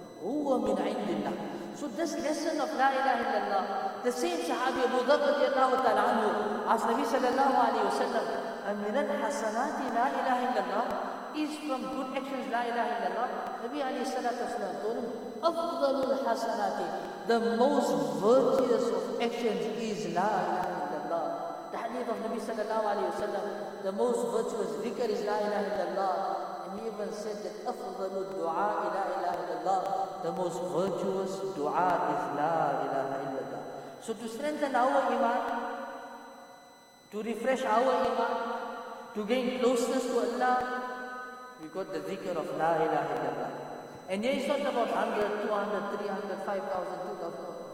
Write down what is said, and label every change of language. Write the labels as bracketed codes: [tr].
[en] Huwa min indillah. So this lesson of La ilaha illallah, the same Sahabi Abu Dharr radiallahu ta'ala anhu, asked Nabi sallallahu alayhi wa sallam, Amir al-hasanati La ilaha illallah, is from good actions, La ilaha illallah. Nabi alayhi salatu wasalam told him, afdalul hasanati, the most virtuous of actions is La ilaha illallah. The hadith of Nabi sallallahu alayhi wa sallam, the most virtuous zikr is La ilaha illallah. And even said that [ar] أفضل الدعاء لا إله إلا الله. [en] The most virtuous دعاء is [ar] لا إله إلا الله. [en] So to strengthen our iman, to refresh our iman, to gain closeness to Allah, we got the dhikr of La ilaha illallah. And yeah, it's not about 100, 200, 300, 5,000, 2,000.